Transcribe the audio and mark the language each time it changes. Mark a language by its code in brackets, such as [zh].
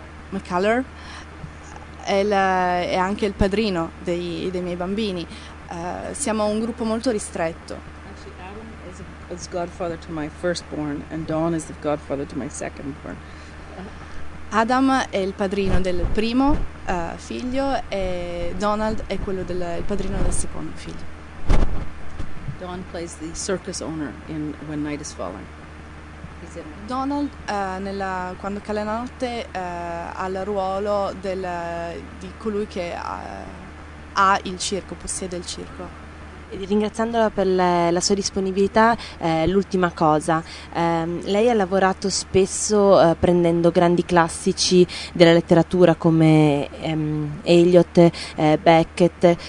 [it] McKellar. È anche il padrino dei miei bambini. Siamo un gruppo molto ristretto. [en] Actually, Adam is a is godfather to my firstborn and Dawn is the godfather to my secondborn. [it] Adam è il padrino del primo figlio e Donald è quello del il padrino del secondo figlio. [en] Dawn plays the circus owner in When Night Is Falling. [it] Donald nella quando cala la notte ha il ruolo del di colui che ha il circo, possiede il circo. Ringraziandola per la sua disponibilità, l'ultima cosa. Lei ha lavorato spesso prendendo grandi classici della letteratura come Eliot, Beckett.